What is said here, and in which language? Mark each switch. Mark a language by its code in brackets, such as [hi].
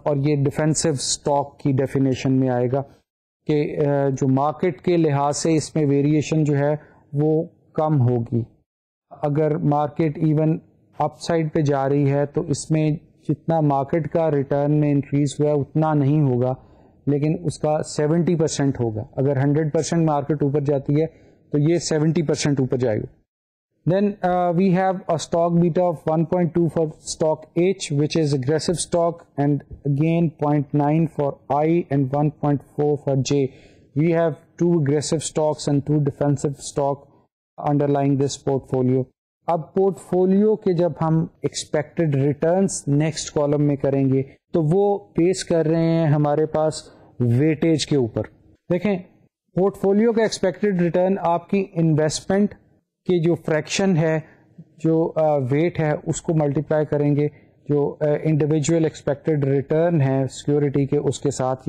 [ur] Aur ye defensive stock ki definition mein aayega ke jo market ke lihaz se isme variation jo hai wo kam hogi. Agar market even اپ side پہ جا رہی ہے تو اس میں جتنا market کا return میں انکریز ہوا ہے اتنا نہیں ہوگا، لیکن اس کا 70% ہوگا. اگر 100% مارکیٹ اوپر جاتی ہے تو یہ 70% اوپر جائے گا. [en] Then we have a stock beta of 1.2 for stock H which is aggressive stock, and again 0.9 for I, and 1.4 for J. We have two aggressive stocks and two defensive stock underlying this portfolio. [ur] اب port folio کے جب ہم expected returns next column میں کریں گے تو وہ بیس کر رہے ہیں ہمارے پاس ویٹیج کے اوپر. دیکھیں پورٹ فولیو کا ایکسپیکٹڈ ریٹرن آپ کی انویسٹمنٹ کے جو فریکشن ہے، جو ویٹ ہے، اس کو ملٹیپلائی کریں گے جو انڈیویجول ایکسپیکٹڈ ریٹرن ہے سیکیورٹی کے اس کے ساتھ.